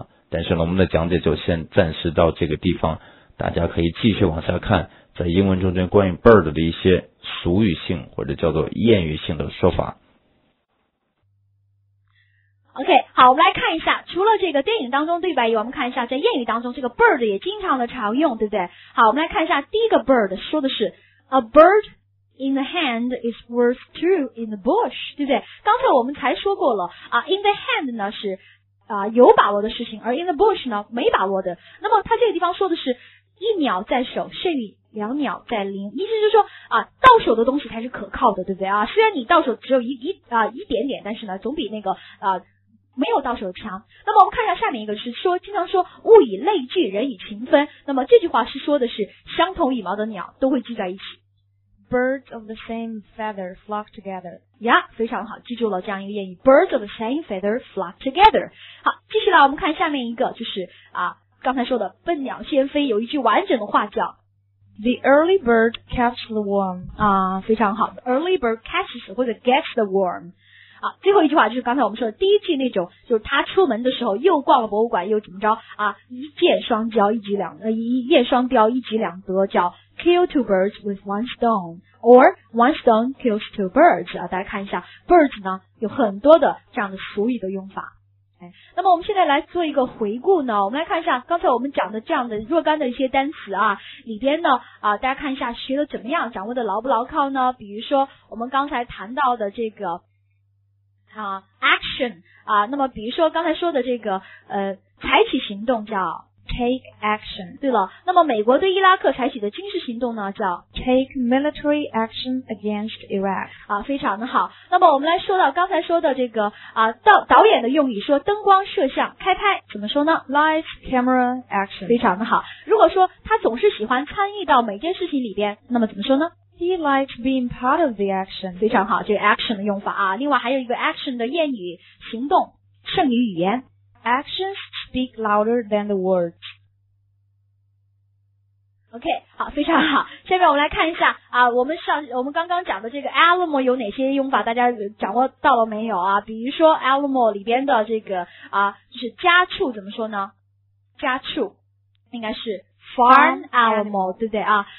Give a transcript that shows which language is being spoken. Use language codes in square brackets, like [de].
[zh] 但是呢，我们的讲解就先暂时到这个地方，大家可以继续往下看，在英文中间关于 bird 的一些俗语性或者叫做谚语性的说法。 OK， 好，我们来看一下，除了这个电影当中对白以外，我们看一下在谚语当中，这个 bird 也经常的常用，对不对？好，我们来看一下第一个 bird 说的是 [en] a bird in the hand is worth two in the bush， [zh] 对不对？刚才我们才说过了啊 ， [en] in the hand [zh] 呢是。啊，有把握的事情，而 [en] in the bush [zh] 呢，没把握的。那么他这个地方说的是，一鸟在手，胜于两鸟在林。意思就是说啊，到手的东西才是可靠的，对不对啊？虽然你到手只有一点点，但是呢，总比那个没有到手强。那么我们看一下下面一个是说，经常说物以类聚，人以群分。那么这句话是说的是，相同羽毛的鸟都会聚在一起。 [en] Birds of the same feather flock together. [zh] Yeah, 非常好，记住了这样一个谚语。 [en] Birds of the same feather flock together. [zh] 好，继续来，我们看下面一个，就是啊，刚才说的笨鸟先飞，有一句完整的话叫 [en] The early bird catches the worm. [zh] 啊，非常好 [en] ，The early bird catches 或者 gets the worm. [zh] 啊，最后一句话就是刚才我们说的第一句那种，就是他出门的时候又逛了博物馆又怎么着啊，一箭双雕，一举两得，叫。 [en] Kill two birds with one stone, or one stone kills two birds. [zh] 啊，大家看一下 ，birds 呢有很多的这样的俗语的用法。哎，那么我们现在来做一个回顾呢，我们来看一下刚才我们讲的这样的若干的一些单词啊，里边呢啊，大家看一下学的怎么样，掌握的牢不牢靠呢？比如说我们刚才谈到的这个啊 action 啊，那么比如说刚才说的这个采取行动叫。 [en] Take action. [zh] 对了，那么美国对伊拉克采取的军事行动呢，叫 [en] Take military action against Iraq. [zh] 啊，非常的好。那么我们来说到刚才说的这个啊，导演的用语说灯光摄像开拍怎么说呢 [en] ？Lights, camera, action. [zh] 非常的好。如果说他总是喜欢参与到每件事情里边，那么怎么说呢 [en] He likes being part of the action. [zh] 非常好，这个 action 的用法啊。另外还有一个 action 的谚语，行动胜于语言。 [en] Actions speak louder than the words. [zh] OK, 好，非常好。下面我们来看一下啊，我们刚刚讲的这个 Alamo 有哪些用法，大家掌握到了没有啊？比如说 Alamo 里边的这个啊，就是家畜怎么说呢？家畜应该是 [en] Farm animal, [zh] 对不对啊？